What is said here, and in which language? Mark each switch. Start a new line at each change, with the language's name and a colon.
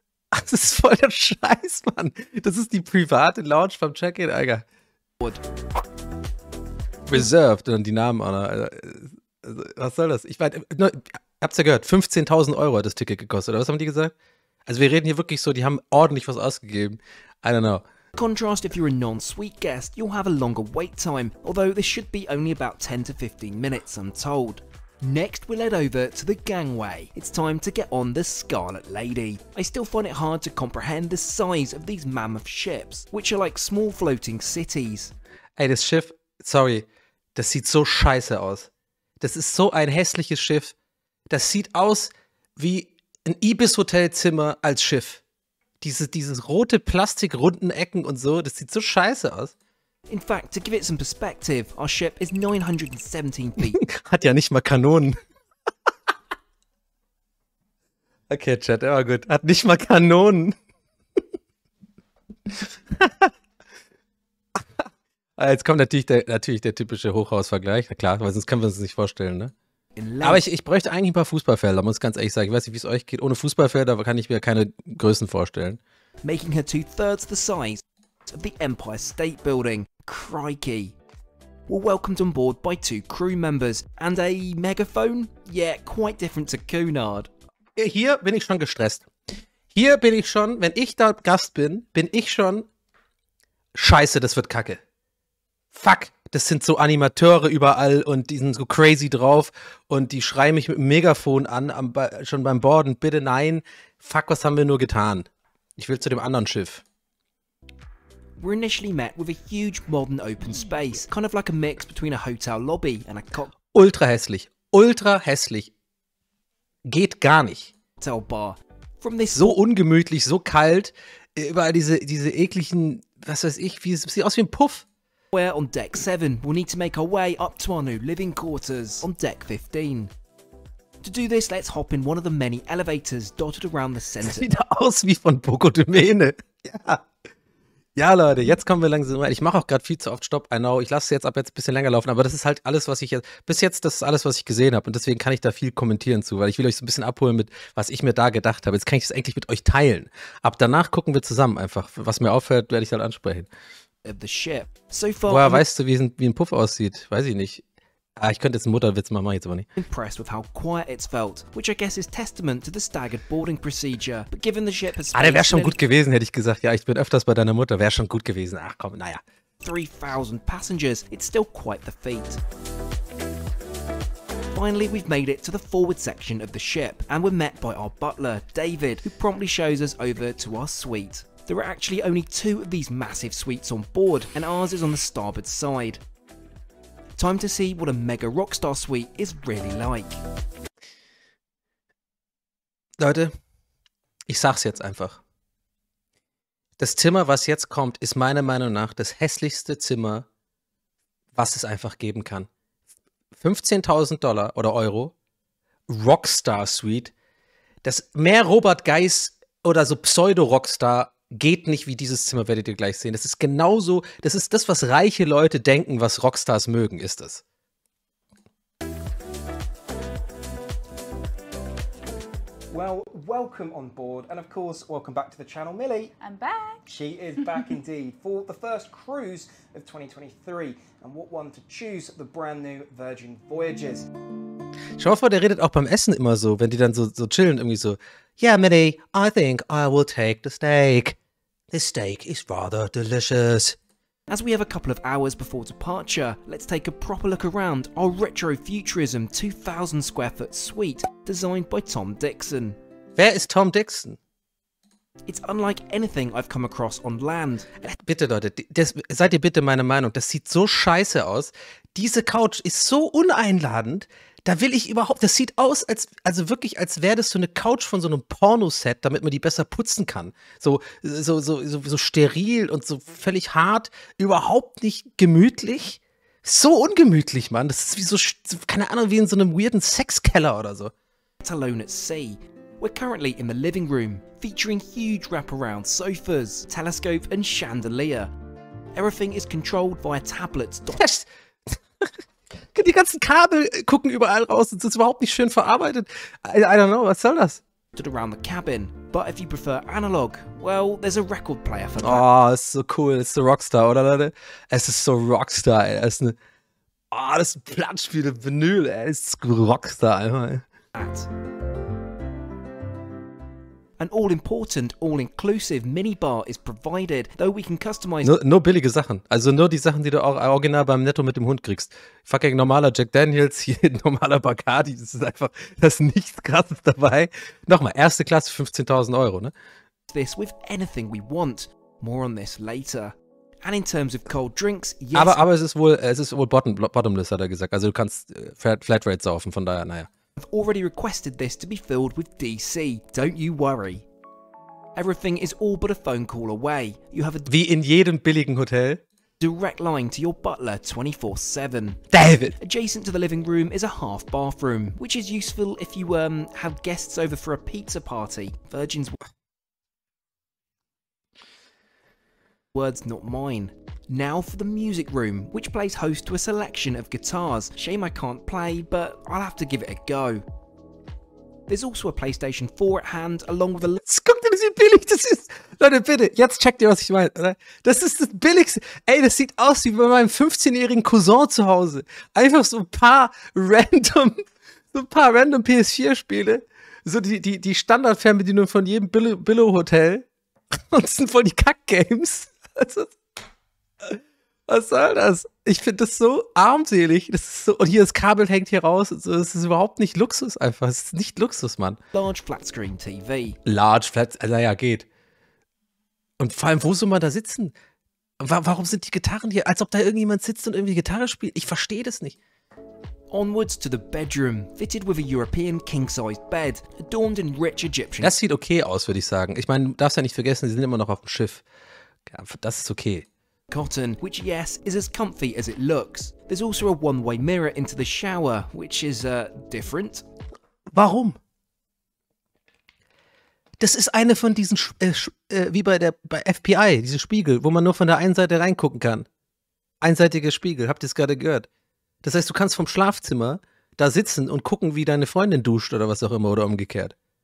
German: Das ist voll der Scheiß, Mann. Das ist die private Lounge beim Check-in, Alter.
English: Board.
German: Reserved und die Namen, Anna. Was soll das? Ich meine, habt ihr gehört, 15.000 Euro hat das Ticket gekostet, oder was haben die gesagt? Also wir reden hier wirklich so, die haben ordentlich was ausgegeben.
English: I don't know. Contrast, if you're a non-suite guest, you'll have a longer wait time, although this should be only about 10 to 15 minutes, I'm told. Next, we're led over to the gangway. It's time to get on the Scarlet Lady. I still find it hard to comprehend the size of these mammoth ships, which are like small floating cities.
German: Ey, das Schiff, sorry, das sieht so scheiße aus. Das ist so ein hässliches Schiff. Das sieht aus wie ein Ibis-Hotelzimmer als Schiff. Dieses rote Plastik, runden Ecken und so, das sieht so scheiße aus.
English: In fact, to give it some perspective, our ship is 917 feet.
German: Hat ja nicht mal Kanonen. Okay, Chat, aber gut. Hat nicht mal Kanonen. Jetzt kommt natürlich der typische Hochhausvergleich. Na klar, weil sonst können wir uns das nicht vorstellen, ne? Aber ich bräuchte eigentlich ein paar Fußballfelder, muss ich ganz ehrlich sagen. Ich weiß nicht, wie es euch geht. Ohne Fußballfelder kann ich mir keine Größen vorstellen.
English: Making her two-thirds the size of the Empire State Building. Crikey. We're welcomed on board by two crew members and a megaphone? Yeah, quite different to Cunard.
German: Hier bin ich schon gestresst. Hier bin ich schon, wenn ich da Gast bin, bin ich schon... Scheiße, das wird kacke. Fuck. Das sind so Animateure überall und die sind so crazy drauf und die schreien mich mit dem Megafon an, schon beim Boarden, bitte nein. Fuck, was haben wir nur getan? Ich will zu dem anderen Schiff.
English: We're initially met with a huge modern open space, kind of like a mix between a hotel lobby and a cock.
German: Ultra hässlich. Ultra hässlich. Geht gar nicht.
English: Hotel bar. From this
German: so ungemütlich, so kalt, überall diese ekligen, was weiß ich, wie, sieht aus wie ein Puff.
English: We're on deck 7, we'll need to make our way up to our new living quarters on deck 15. To do this, let's hop in one of the many elevators dotted around the center.
German: Sieht aus wie von Poco de Mene. Ja. Ja, Leute, jetzt kommen wir langsam rein. Ich mache auch gerade viel zu oft Stopp.
English: I know,
German: ich lasse jetzt ab jetzt ein bisschen länger laufen, aber das ist halt alles, was ich jetzt, bis jetzt, das ist alles, was ich gesehen habe. Und deswegen kann ich da viel kommentieren zu, weil ich will euch so ein bisschen abholen mit, was ich mir da gedacht habe. Jetzt kann ich das eigentlich mit euch teilen. Ab danach gucken wir zusammen einfach. Was mir auffällt, werde ich halt ansprechen.
English: Of the ship. So far,
German: woher weißt du, wie ein Puff aussieht? Weiß ich nicht. Ah, ich könnte jetzt einen Mutterwitz machen, mach ich jetzt aber nicht.
English: Impressed with how quiet it's felt, which I guess is testament to the staggered boarding procedure. But given the ship has
German: space, ah, der wäre schon gut gewesen, hätte ich gesagt. Ja, ich bin öfters bei deiner Mutter. Wäre schon gut gewesen. Ach komm, naja.
English: 3,000 passengers. It's still quite the feat. Finally, we've made it to the forward section of the ship, and we're met by our butler, David, who promptly shows us over to our suite. There are actually only two of these massive suites on board, and ours is on the starboard side. Time to see what a mega rockstar suite is really like.
German: Leute, ich sag's jetzt einfach. Das Zimmer, was jetzt kommt, ist meiner Meinung nach das hässlichste Zimmer, was es einfach geben kann. $15,000 oder Euro, Rockstar Suite, das mehr Robert Geiss oder so Pseudo-Rockstar geht nicht wie dieses Zimmer, werdet ihr gleich sehen. Das ist genauso, das ist das, was reiche Leute denken, was Rockstars mögen, ist es.
English: Well, welcome on board and of course, welcome back to the channel, Millie. I'm back. She is back indeed for the first cruise of 2023. And what one to choose the brand new Virgin Voyages.
German: Schau vor, der redet auch beim Essen immer so, wenn die dann so chillen, irgendwie so,
English: yeah, Millie, I think I will take the steak. This steak is rather delicious. As we have a couple of hours before departure, let's take a proper look around our retro-futurism 2,000 square foot suite designed by Tom Dixon. Where is Tom Dixon? It's unlike anything I've come across on land.
German: Bitte Leute, seid ihr bitte meiner Meinung, das sieht so scheiße aus. Diese Couch ist so uneinladend, da will ich überhaupt, das sieht aus, als also wirklich, als wäre das so eine Couch von so einem Pornoset, damit man die besser putzen kann. So steril und so völlig hart, überhaupt nicht gemütlich. So ungemütlich, Mann, das ist wie so, keine Ahnung, wie in so einem weirden Sexkeller oder so.
English: It's alone at sea. We're currently in the living room, featuring huge wraparound sofas, telescope and chandelier. Everything is controlled via tablets. Yes.
German: Die ganzen Kabel gucken überall raus, das ist überhaupt nicht schön verarbeitet.
English: I don't know,
German: was soll das?
English: Around the cabin, but if you prefer analog, well, there's a record player for that.
German: Oh, das ist so cool, das ist so Rockstar, oder Leute? Es ist so Rockstar, ey. Das ist eine... Oh, das ist ein Plattenspiel, ein Vinyl, ey. Das ist Rockstar, einfach.
English: An all-important, all-inclusive Minibar is provided, though we can customize...
German: Nur billige Sachen. Also nur die Sachen, die du auch original beim Netto mit dem Hund kriegst. Fucking normaler Jack Daniels, hier normaler Bacardi. Das ist einfach, das ist nichts Krasses dabei. Nochmal, erste Klasse, 15.000 Euro, ne?
English: ...this with anything we want. More on this later. And in terms of cold drinks, yes...
German: Aber es ist wohl bottomless, hat er gesagt. Also du kannst Flatrate saufen, von daher, naja.
English: I've already requested this to be filled with DC, don't you worry. Everything is all but a phone call away. You have a...
German: Wie in jedem billigen Hotel.
English: Direct line to your butler 24/7. David! Adjacent to the living room is a half bathroom, which is useful if you have guests over for a pizza party. Virgin's... Words not mine. Now for the music room, which plays host to a selection of guitars. Shame I can't play, but I'll have to give it a go. There's also a PlayStation 4 at hand, along with a...
German: Guckt ihr, das ist billig, das ist... Leute, bitte, jetzt checkt ihr, was ich meine, oder? Das ist das Billigste. Ey, das sieht aus wie bei meinem 15-jährigen Cousin zu Hause. Einfach so ein paar random, PS4-Spiele. So die Standard-Fernbedienung von jedem Billo-Hotel. Und das sind voll die Kack-Games. Also... Was soll das? Ich finde das so armselig. Das ist so, und hier das Kabel hängt hier raus. So, das ist überhaupt nicht Luxus einfach. Es ist nicht Luxus, Mann.
English: Large flat screen TV.
German: Large flat, naja, geht. Und vor allem, wo soll man da sitzen? Warum sind die Gitarren hier? Als ob da irgendjemand sitzt und irgendwie Gitarre spielt. Ich verstehe das nicht.
English: Onwards to the bedroom, fitted with a European king-sized bed, adorned in rich Egyptian.
German: Das sieht okay aus, würde ich sagen. Ich meine, du darfst ja nicht vergessen, sie sind immer noch auf dem Schiff. Ja, das ist okay.
English: Cotton, which yes, is as comfy as it looks. There's also a one-way mirror into the shower, which is, different.
German: Warum? Das ist eine von diesen, wie bei FBI, diese Spiegel, wo man nur von der einen Seite reingucken kann. Einseitiger Spiegel, habt ihr es gerade gehört? Das heißt, du kannst vom Schlafzimmer da sitzen und gucken, wie deine Freundin duscht oder was auch immer oder umgekehrt.